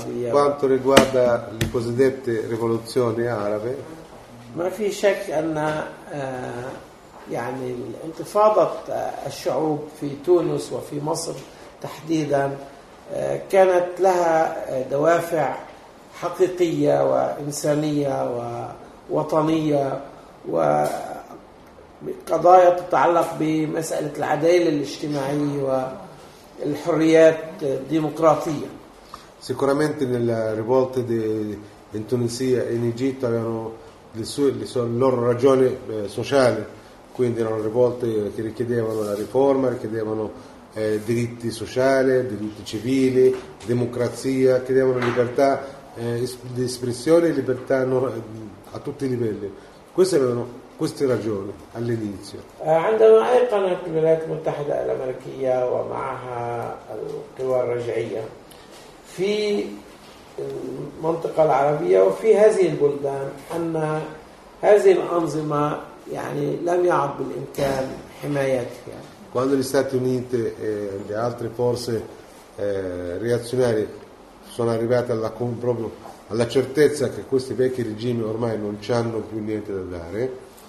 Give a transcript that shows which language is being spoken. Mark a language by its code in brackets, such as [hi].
[it] Quanto riguarda le cosiddette rivoluzioni arabe, [ar] ma fi shak anna يعني الانتفاضة الشعوب في تونس وفي مصر تحديدا كانت لها دوافع حقيقية وإنسانية ووطنية وقضايا تتعلق بمسألة العدالة الاجتماعية والحريات الديمقراطية. [it] Sicuramente nella rivolta in Tunisia e in Egitto avevano le loro ragioni sociali. Quindi erano rivolte che richiedevano la riforma, richiedevano diritti sociali, diritti civili, democrazia, chiedevano libertà di espressione e libertà a tutti i livelli. Queste erano queste ragioni all'inizio. [ar] عندما أيقنت الولايات المتحدة الأمريكية ومعها القوى الرجعية في المنطقة العربية وفي هذه البلدان أن هذه الأنظمة يعني لم يعد بالإمكان حمايتها. [it] Quando gli Stati Uniti e le altre forze reazionarie sono arrivate alla certezza che questi vecchi regimi ormai non c'hanno più niente da dare.